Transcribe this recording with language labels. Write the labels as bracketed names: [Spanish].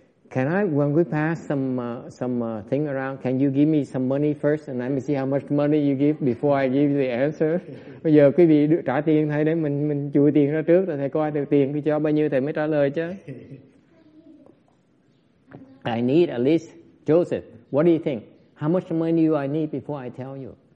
[English] When we pass some thing around, can you give me some money first and let me see how much money you give before I give you the answer? [Vietnamese] Bây giờ quý vị trả tiền thầy để mình chùi tiền ra trước rồi thầy coi được tiền cho bao nhiêu thầy mới trả lời chứ. [English] I need at least, Joseph, what do you think? How much money do I need before I tell you?